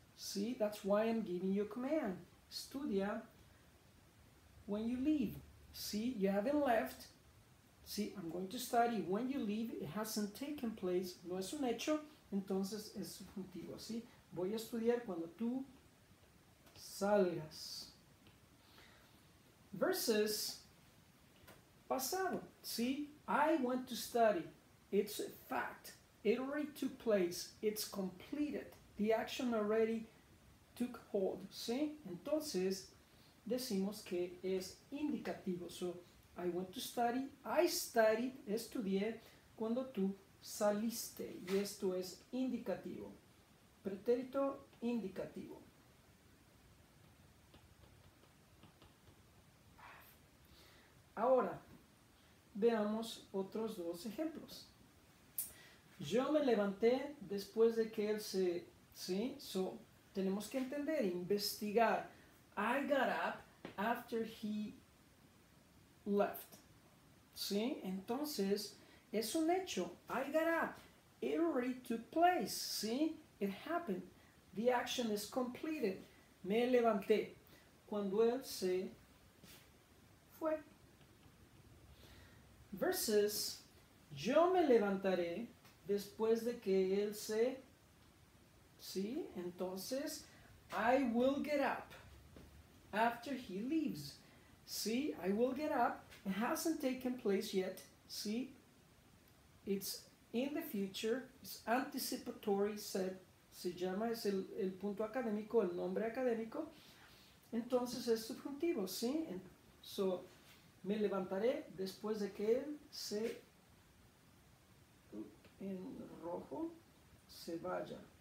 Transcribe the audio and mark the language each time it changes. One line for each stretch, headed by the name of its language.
English: See, that's why I'm giving you a command. Estudia when you leave. See, you haven't left. See, I'm going to study when you leave. It hasn't taken place.
Spanish: No es un hecho. Entonces es subjuntivo. ¿Sí? Voy a estudiar cuando tú salgas. Versus pasado. ¿Sí?
English: I went to study. It's a fact. It already took place. It's completed. The action already took hold, ¿sí?
Spanish: Entonces decimos que es indicativo.
English: So, I went to study, I studied,
Spanish: estudié cuando tú saliste. Y esto es indicativo. Pretérito indicativo. Ahora, veamos otros dos ejemplos. Yo me levanté después de que él se. ¿Sí? So, tenemos que entender, investigar.
English: I got up after he left. ¿Sí?
Spanish: Entonces, es un hecho.
English: I got up. It already took place. ¿Sí? It happened. The action is completed.
Spanish: Me levanté cuando él se fue. Versus, yo me levantaré después de que él se. ¿Sí?
English: Entonces, I will get up after he leaves. ¿Sí? I will get up. It hasn't taken place yet. ¿Sí? It's in the future. It's anticipatory.
Spanish: Se llama, es el punto académico, el nombre académico. Entonces es subjuntivo. ¿Sí? So, me levantaré después de que él se. En rojo. Se vaya.